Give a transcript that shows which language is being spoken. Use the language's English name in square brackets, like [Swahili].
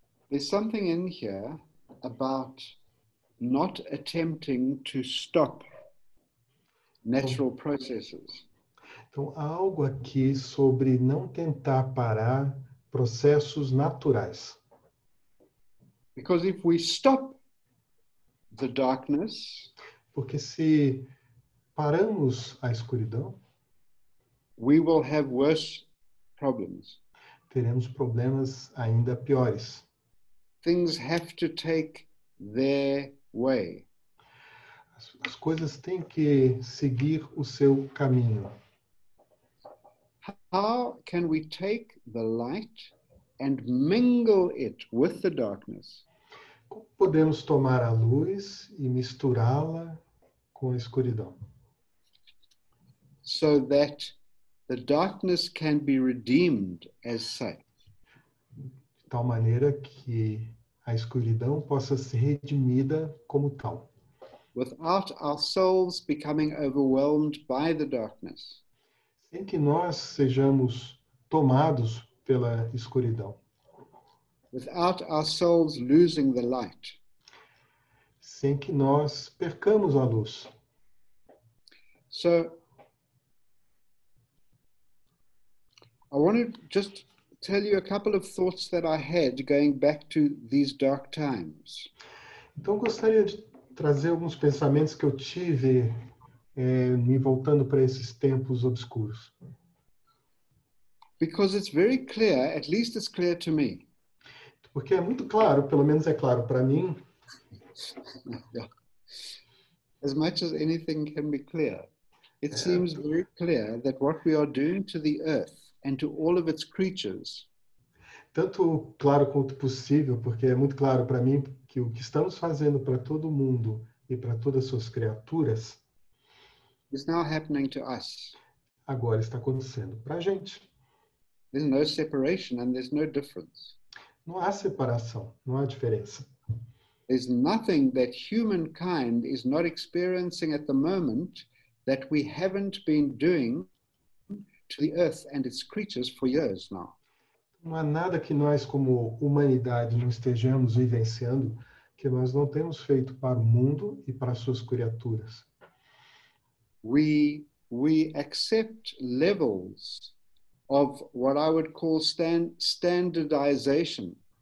[English] There's something in here about not attempting to stop natural processes. [Portuguese] Então, há algo aqui sobre não tentar parar processos naturais. [English] Because if we stop the darkness, [Portuguese] porque se paramos a escuridão, [English] we will have worse problems. [Portuguese] Teremos problemas ainda piores. [English] Things have to take their way. [Portuguese] As coisas têm que seguir o seu caminho. [English] How can we take the light and mingle it with the darkness? [Portuguese] Como podemos tomar a luz e misturá-la com a escuridão? [English] So that the darkness can be redeemed as such. [Portuguese] De tal maneira que a escuridão possa ser redimida como tal. [English] Without our souls becoming overwhelmed by the darkness. [Portuguese] Sem que nós sejamos tomados pela escuridão. [English] Without our souls losing the light. [Portuguese] Sem que nós percamos a luz. [English] So, I want to just tell you a couple of thoughts that I had going back to these dark times. [Portuguese] Então, gostaria de trazer alguns pensamentos que eu tive me voltando para esses tempos obscuros. [English] Because it's very clear, at least it's clear to me. [Portuguese] Porque é muito claro, pelo menos é claro para mim. [English] As much as anything can be clear, it seems very clear that what we are doing to the earth and to all of its creatures. [Portuguese] Tanto claro quanto possível, porque é muito claro para mim que o que estamos fazendo para todo mundo e para todas as suas criaturas [English] is now happening to us. [Portuguese] Agora está acontecendo para a gente. [English] There's no separation and there's no difference. [Portuguese] Não há separação, não há diferença. [English] There's nothing that humankind is not experiencing at the moment that we haven't been doing to the earth and its creatures for years now. [Portuguese] Não há nada que nós, como humanidade, não estejamos vivenciando que nós não temos feito para o mundo e para as suas criaturas. [English] We accept levels of what I would call standardization.